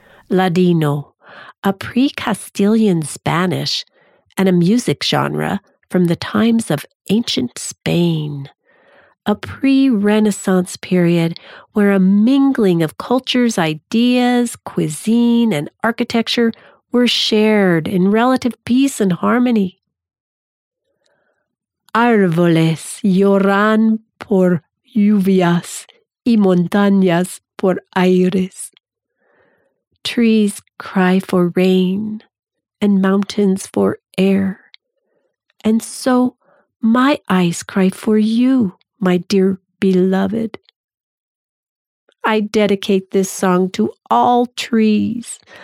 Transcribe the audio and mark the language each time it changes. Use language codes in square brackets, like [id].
[en] Ladino, a pre-Castilian Spanish and a music genre from the times of ancient Spain, a pre-Renaissance period where a mingling of cultures, ideas, cuisine, and architecture were shared in relative peace and harmony. [es] Árboles lloran por lluvias y montañas por aires. [en] Trees cry for rain and mountains for air. And so my eyes cry for you, my dear beloved. I dedicate this song to all trees.